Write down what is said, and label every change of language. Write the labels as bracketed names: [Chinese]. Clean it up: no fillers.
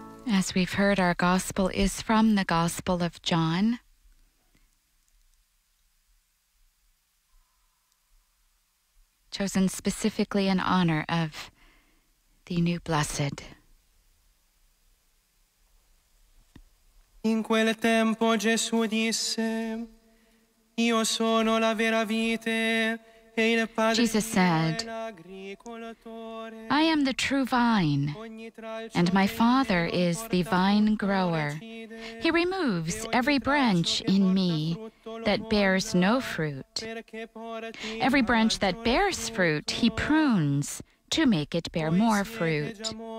[English] As we've heard, our gospel is from the Gospel of John. Chosen specifically in honor of the new blessed. [Italian] In quel tempo Gesù disse, io sono la vera vite e il padre. [English] Jesus said, I am the true vine, and my Father is the vine grower. He removes every branch in me that bears no fruit. Every branch that bears fruit, he prunes to make it bear more fruit.